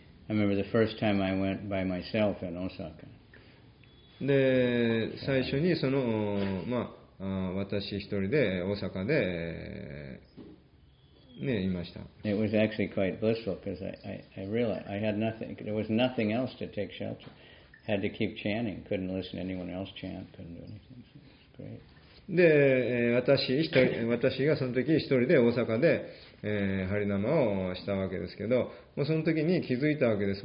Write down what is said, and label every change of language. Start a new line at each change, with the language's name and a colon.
English: I remember the first time I went by myself in Osaka.
Japanese: で最初にその、まあ、私一人で大阪でね、いました。
English: It was actually quite blissful because I realized I had nothing. There was nothing else to take shelter. Had to keep chanting. Couldn't listen to anyone else chant. Couldn't do anything. So it's great.
Japanese: で、私がその時一人で大阪で、ハリナマをしたわけですけど、もうその時に気づいたわけです。